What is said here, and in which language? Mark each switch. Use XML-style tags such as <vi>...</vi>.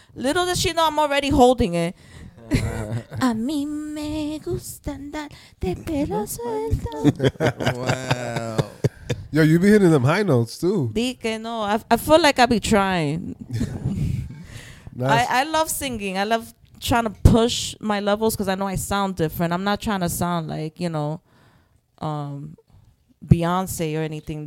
<en>Little does she know I'm already holding it.</en> <es>A mí me gusta andar de pelo suelto. Wow.</es> <en>Yo, you be hitting them high notes too.</en> <es>Dique, no.</es> <en>I feel like I be trying. Nice. I love singing. I love trying to push my levels because I know I sound different. I'm not trying to sound like, you know, Beyonce or anything.</en>